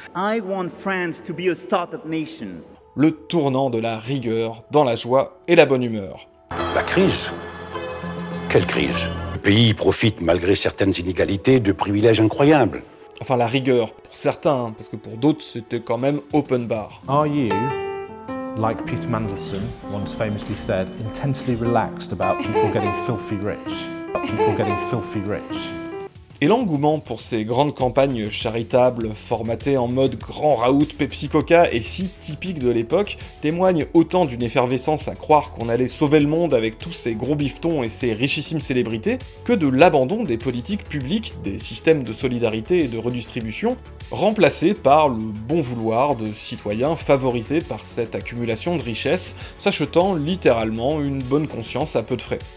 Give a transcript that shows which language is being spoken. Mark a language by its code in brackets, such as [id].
[en] I want France to be a startup nation. [fr] Le tournant de la rigueur dans la joie et la bonne humeur. La crise ? Quelle crise ? Le pays profite, malgré certaines inégalités, de privilèges incroyables. Enfin, la rigueur, pour certains, parce que pour d'autres, c'était quand même open bar. [en] Are you, like Peter Mandelson once famously said, intensely relaxed about people getting filthy rich? People getting filthy rich. [fr] Et l'engouement pour ces grandes campagnes charitables formatées en mode grand raout Pepsi-Coca et si typique de l'époque témoigne autant d'une effervescence à croire qu'on allait sauver le monde avec tous ces gros bifetons et ces richissimes célébrités que de l'abandon des politiques publiques, des systèmes de solidarité et de redistribution, remplacés par le bon vouloir de citoyens favorisés par cette accumulation de richesses, s'achetant littéralement une bonne conscience à peu de frais.